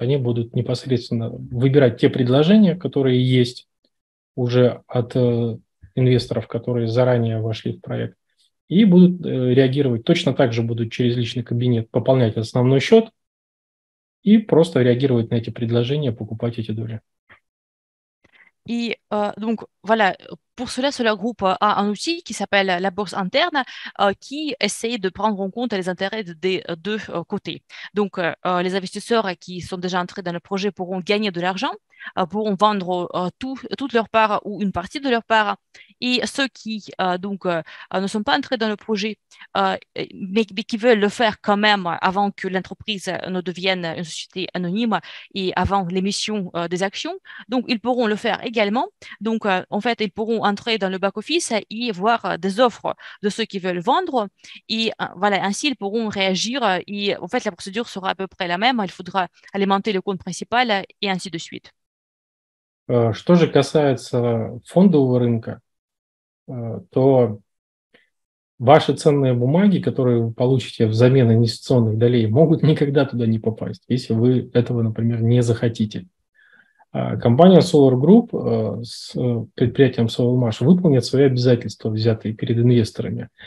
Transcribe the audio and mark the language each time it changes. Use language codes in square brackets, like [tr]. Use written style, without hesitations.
[ru] Они будут непосредственно выбирать те предложения, которые есть уже от инвесторов, которые заранее вошли в проект, и будут реагировать, точно так же будут через личный кабинет пополнять основной счет и просто реагировать на эти предложения, покупать эти доли. И, [fr] donc, voilà. pour cela, sur leur groupe a un outil qui s'appelle la bourse interne qui essaie de prendre en compte les intérêts des deux côtés. Donc, les investisseurs qui sont déjà entrés dans le projet pourront gagner de l'argent, pourront vendre toute leur part ou une partie de leur part. Et ceux qui ne sont pas entrés dans le projet, mais qui veulent le faire quand même avant que l'entreprise ne devienne une société anonyme et avant l'émission des actions, donc ils pourront le faire également. Donc, en fait, ils pourront entrer dans le back-office et voir des offres de ceux qui veulent vendre. Et voilà, ainsi, ils pourront réagir. Et en fait, la procédure sera à peu près la même. Il faudra alimenter le compte principal et ainsi de suite. [ru] Что же касается фондового рынка, то ваши ценные бумаги, которые вы получите взамен инвестиционных долей, могут никогда туда не попасть, если вы этого, например, не захотите. Компания Solar Group с предприятием Solmash выполнит свои обязательства, взятые перед инвесторами.